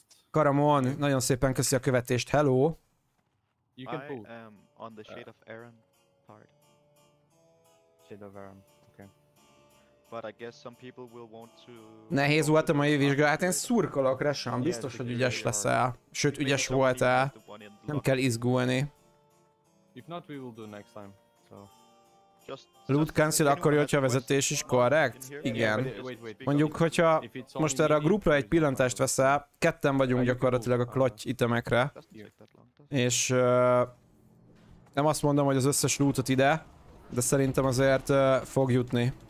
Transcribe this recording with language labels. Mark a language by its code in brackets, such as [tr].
[hu] Karamon, nagyon szépen köszi a követést, hello! [en] You can pull. I am on the Shade of Aaron part. Shade of Aaron, okay. But I guess some people will want to... [hu] Nehéz volt a mai vizsga, hát én szurkolok, Resham, biztos, hogy ügyes leszel. Sőt, ügyes voltál. Nem kell izgulni. [en] If not, we will do next time, so... [hu] Loot Cancel akkor jó, hogyha a vezetés is korrekt? Igen. Mondjuk, hogyha most erre a grupra egy pillantást veszel, ketten vagyunk gyakorlatilag a klotty itemekre. És... nem azt mondom, hogy az összes lootot ide, de szerintem azért fog jutni.